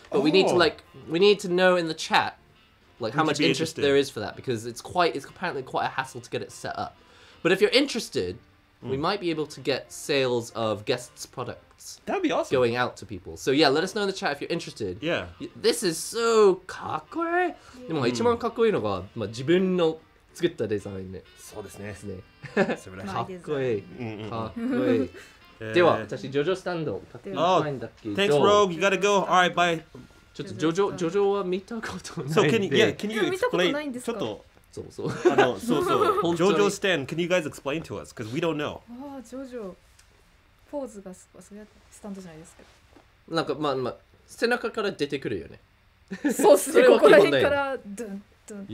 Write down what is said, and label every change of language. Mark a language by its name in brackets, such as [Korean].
[English] But we need to know in the chat like how much interest there is for that, because it's apparently quite a hassle to get it set up. But if you're interested, we might be able to get sales of guests' products. That'd be awesome. Going out to people. So yeah, let us know in the chat if you're interested. Yeah. This is so kakkoi. [Japanese] でも一番かっこいいのが、まあ自分の作ったデザインね。そうですね。ですね。かっこいい。かっこいい。では、私ジョジョスタンド買ってないんだけど。 [English] Thanks, Rogue. You gotta go. All right, bye. [Japanese] ちょっとジョジョは見たことないんで。 [English] So can you explain? [Japanese] ちょっと。そうそう。 [English] JoJo Stan, can you guys explain to us? Because we don't know. [Japanese] ああ、JoJo。ポーズがすごい。スタンドじゃないですか。なんか、まあ、背中から出てくるよね。そうですね、ここら辺から、ドゥン、ドゥン。